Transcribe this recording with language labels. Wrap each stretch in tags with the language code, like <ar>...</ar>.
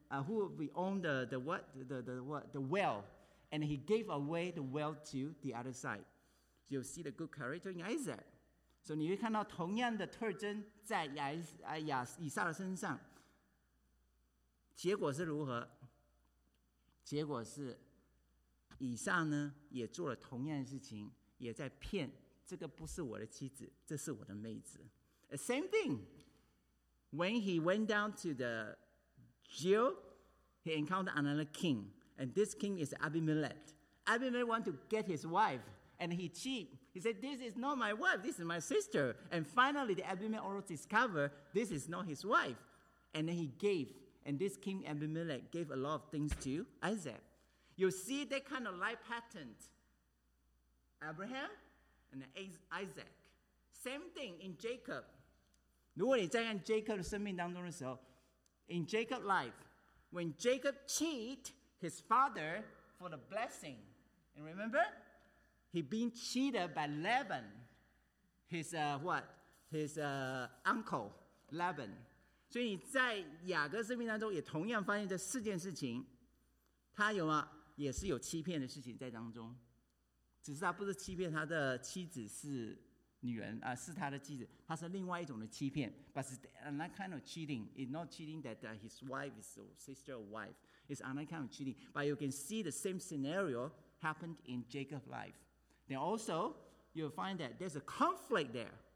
<en>Who will own the well? And he gave away the well to the other side. You see the good character in Isaac. So you will see the same characteristics in Isaac's life.</en> <zh>结果是如何？结果是以撒呢也做了同样的事情，也在骗这个不是我的妻子，这是我的妹子。</zh> <en>The same thing. When he went down to the Jew, he encountered another king. And this king is Abimelech. Abimelech wanted to get his wife. And he cheated. He said, this is not my wife, this is my sister. And finally, Abimelech also discovered this is not his wife. And then he gave. And this king Abimelech gave a lot of things to Isaac. You see that kind of life pattern. Abraham and Isaac. Same thing in Jacob.</en> <zh>如果你在看 Jacob 的生命当中的时候</zh> <en>in Jacob's life, when Jacob cheated his father for the blessing, and remember, he being cheated by Laban, his uncle, Laban.</en> <zh>所以你在雅各生命当中也同样发现这四件事情，他有吗？也是有欺骗的事情在当中，只是他不是欺骗他的妻子是女人啊，是他的妻子，他是另外一种的欺骗。</zh> <en>But it's another kind of cheating. It's not cheating that his wife is a sister or wife. It's another kind of cheating. But you can see the same scenario happened in Jacob's life. Then also, you'll find that there's a conflict there.</en>